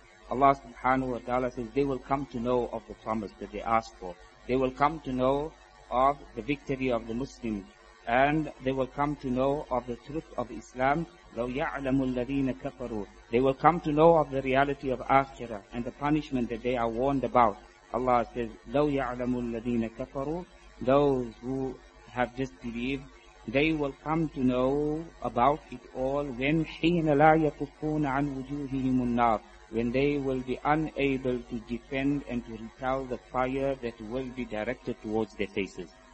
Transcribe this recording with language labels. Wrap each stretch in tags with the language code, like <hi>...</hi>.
<en>Allah subhanahu wa ta'ala says, they will come to know of the promise that they asked for. They will come to know of the victory of the Muslims. And they will come to know of the truth of Islam.</en> <ar>لَوْ يَعْلَمُ الَّذِينَ كَفَرُوا.</ar> <en>They will come to know of the reality of Akhirah and the punishment that they are warned about. Allah says,</en> <ar>لَوْ يَعْلَمُ الَّذِينَ كَفَرُوا.</ar> <en>Those who have just believed, they will come to know about it all when</en> <ar>حِينَ لَا يَكُفُّونَ عَنْ وُجُوهِهِمُ النَّارِ.</ar> <en>When they will be unable to defend and to repel the fire that will be directed towards their faces.</en>